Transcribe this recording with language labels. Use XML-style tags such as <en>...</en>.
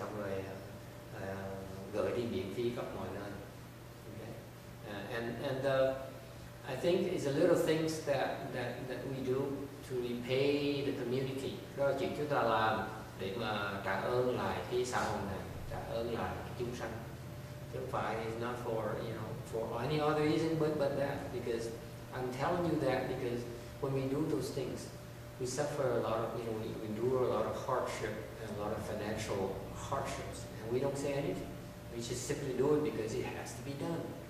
<vi>Rồi xong rồi gửi đi miễn phí khắp mọi nơi.</vi> <en>Okay, and I think it's a little things that we do to repay the community.</en> <vi>Đó là chuyện chúng ta làm để mà trả ơn lại cái xã hội này, trả ơn lại cái chúng sanh.</vi> <en>the fight is not for, you know, for any other reason but that. Because I'm telling you that because when we do those things, we suffer a lot of, you know, we endure a lot of hardship and a lot of financial hardships, and we don't say anything. We just simply do it because it has to be done.</en>